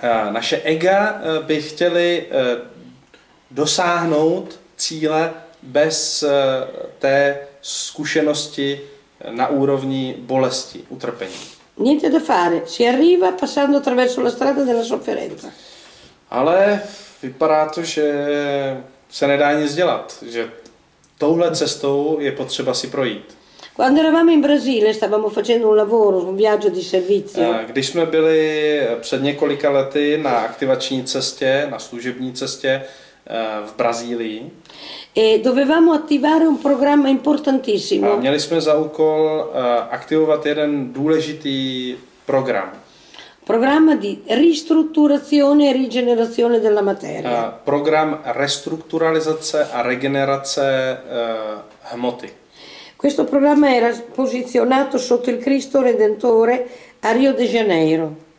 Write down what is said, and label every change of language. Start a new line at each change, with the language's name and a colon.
Czech: Naše ega by chtěli dosáhnout cíle bez té zkušenosti na úrovni bolesti, utrpení.
Italian: Niente da fare, si arriva passando attraverso la strada della sofferenza.
Czech: Ale vypadá to, že se nedá nic dělat, že touhle cestou je potřeba si projít.
Italian: Quando eravamo in Brasile, stavamo facendo un lavoro, un viaggio di servizio.
Czech: Když jsme byli před několika lety na aktivační cestě, na služební cestě v Brazílii.
Italian: E dovevamo attivare un programma importantissimo.
Czech: Měli jsme za úkol aktivovat jeden důležitý program.
Italian: Programma di ristrutturazione e rigenerazione della materia.
Czech: Program restrukturalizace a regenerace hmoty.
Italian: Questo programma era posizionato sotto il Cristo Redentore a Rio de Janeiro.